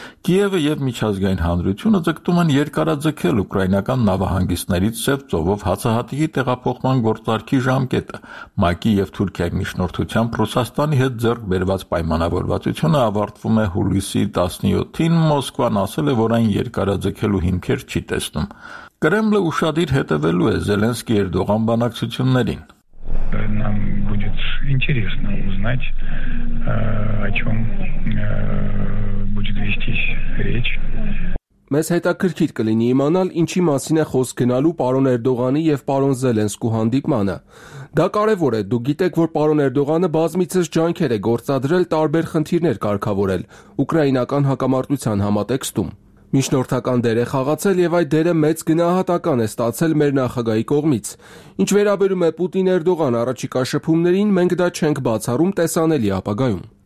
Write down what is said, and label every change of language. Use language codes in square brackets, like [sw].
[hy] Կիևը և միջազգային հանրությունը ձգտում են երկարաձգել ուկրաինական նավահանգիստներից Սև ծովով հացահատիկի տեղափոխման գործարքի ժամկետը, ՄԱԿ-ի և Թուրքիայի միջնորդությամբ Ռուսաստանի հետ ձեռք բերված պայմանավորվածությունը։ Ուկրաինան ավարտվում է հուլիսի 17-ին, Մոսկվան ասել է, որ այն երկարաձգելու հիմքեր չի տեսնում։ Կրեմլը ուշադիր հետևելու է Զելենսկի Էրդողան բանակցություններին։ [ru] Нам будет интересно узнать, о чём будет вестись речь. [hy] Մեզ հետաքրքիր կլինի իմանալ, ինչի մասին է խոսք գնալու պարոն Էրդողանի և պարոն Զելենսկու հանդիպմանը։ Դա կարևոր է, դու գիտեք, որ պարոն Էրդողանը բազմիցս ջանքեր է գործադրել, տարբեր խնդիրներ կարգավորել ուկրաինական հակամարտության համատեքստում։ Միջնորդական դեր է խաղացել և այդ դերը մեծ գնահատական է ստացել մեր նախագահի կողմից։ Ինչ վերաբերում է Պուտին Էրդողան առաջիկա շփումներին, մենք դա չենք բացառում տեսանելի ապագայում։